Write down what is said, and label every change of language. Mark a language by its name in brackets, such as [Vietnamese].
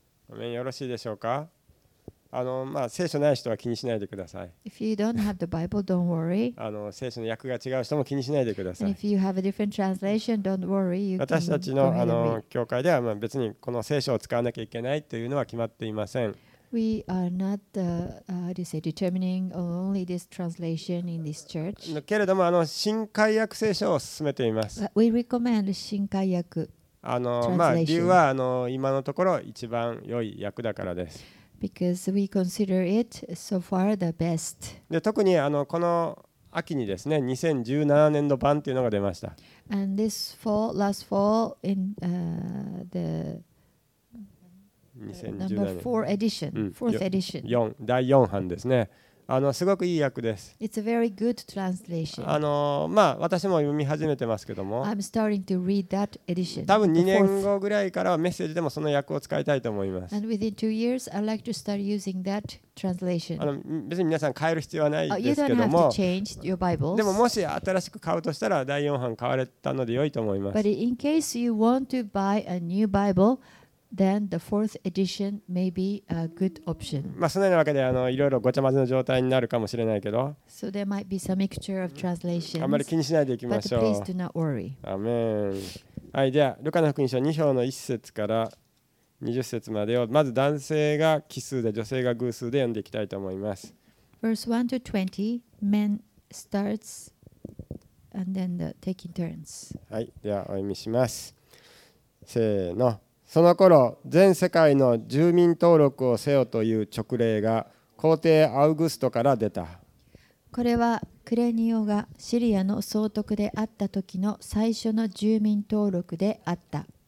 [Japanese] よろしいでしょうか。聖書ない人は気にしないでください。 [English] If you don't have the Bible, don't worry. [Japanese] 聖書の訳が違う人も気にしないでください。 [English] And if you have a different translation, don't worry. You can [Japanese] 私たちの教会では別にこの聖書を使わなきゃいけないというのは決まっていません。 [English] We are not, determining only this translation in this church. [Japanese] けれども、新改訳聖書を勧めています。 [English] We recommend 新改訳 translation. [Japanese] 理由は今のところ一番良い訳だからです。 [English] Because we consider it so far the best. [Japanese] で、特にこの秋にですね、2017年度版というのが出ました。 [English] And this fall, last fall, in the [Japanese] 第4版ですね。すごくいい訳です。 [English] It's a very good translation. [Japanese] 私も読み始めてますけども。 [English] I'm starting to read that edition. [Japanese] 多分2年後ぐらいからはメッセージでもその訳を使いたいと思います。 [English] And within two years, I'd like to start using that translation. [Japanese] 別に皆さん変える必要はないですけども。 [English] You don't have to change your Bibles. [Japanese] でももし新しく買うとしたら第4版買われたので良いと思います。 [English] But in case you want to buy a new Bible,Then the fourth edition may be a good option. [Japanese] そのようなわけでいろいろごちゃ混ぜの状態になるかもしれないけど。 [English] So there might be some mixture of translations. [Japanese] あんまり気にしないでいきましょう。 [English] But please do not worry. [Japanese] アメン。はい、ではルカの福音書2章の1節から20節までをまず男性が奇数で女性が偶数で読んでいきたいと思います。 [English] Verse 1 to 20, men starts and then the taking turns. [Japanese] はい、ではお読みします。せーの。その頃、全世界の住民登録をせよという勅令が皇帝アウグストから出た。これはクレニオがシリアの総督であった時の最初の住民登録であった。